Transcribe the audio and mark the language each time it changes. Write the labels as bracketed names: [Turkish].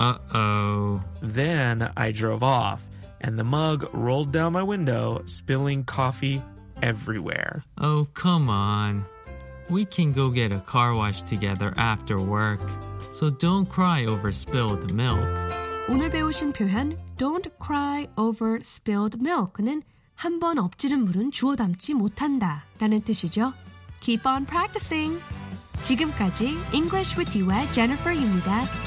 [English] Uh-oh. Then I drove off, and the mug rolled down my window, spilling coffee everywhere. Oh, come on. We can go get a car wash together after work. So don't cry over spilled milk. [Korean] 오늘 배우신 표현 [English] Don't cry over spilled milk [Korean] 는 한 번 엎지른 물은 주워 담지 못한다 라는 뜻이죠. [English] Keep on practicing! [Korean] 지금까지 English with you의 Jennifer입니다.